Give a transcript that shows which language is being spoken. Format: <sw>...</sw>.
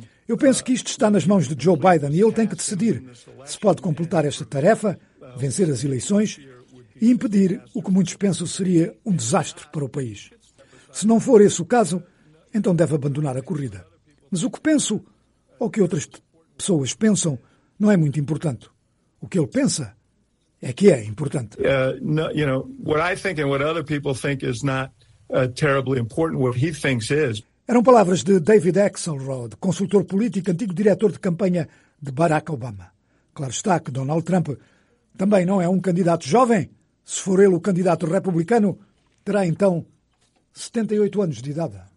<pt>Eu penso que isto está nas mãos de Joe Biden e ele tem que decidir se pode completar esta tarefa, vencer as eleições e impedir o que muitos pensam seria um desastre para o país. Se não for esse o caso, então deve abandonar a corrida. Mas o que penso, ou que outras pessoas pensam, não é muito importante. O que ele pensa é que é importante.</pt> <en>What I think and what other people think is not terribly important. What he thinks is.</en> <pt>Eram palavras de David Axelrod, consultor político, antigo diretor de campanha de Barack Obama. Claro está que Donald Trump também não é um candidato jovem. Se for ele o candidato republicano, terá então 78 anos de idade.</pt>